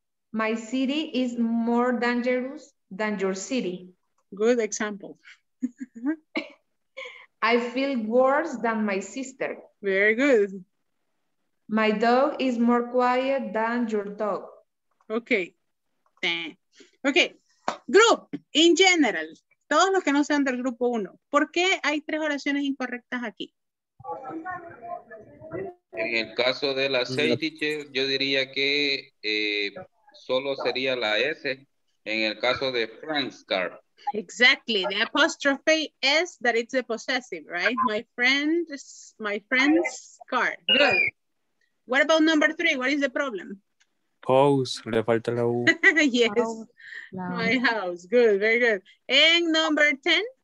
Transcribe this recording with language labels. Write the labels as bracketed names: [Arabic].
[English] My city is more dangerous than your city. Good example. I feel worse than my sister. Very good. My dog is more quiet than your dog. Okay. Okay. Group, in general, [Spanish] todos los que no sean del grupo uno, ¿por qué hay tres oraciones incorrectas aquí? En el caso de las seis, teacher, yo diría que solo sería la S en el caso de Frank's car. [English] Exactly, the apostrophe is that it's a possessive, right? My friend's car. Good. What about number three? What is the problem? [Spanish] House, le falta la U. [English] Yes, no. My house. Good, very good. And number 10?